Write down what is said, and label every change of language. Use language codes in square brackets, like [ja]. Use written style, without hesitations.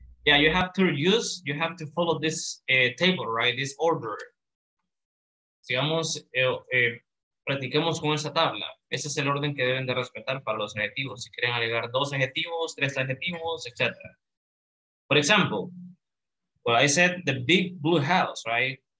[en] Yeah, you have to follow this table, right? This order. [es] Sigamos, practiquemos con esa tabla. Ese es el orden que deben de respetar para los adjetivos. Si quieren agregar dos adjetivos, tres adjetivos, etc. [en] For example, well, I said the big blue house, right?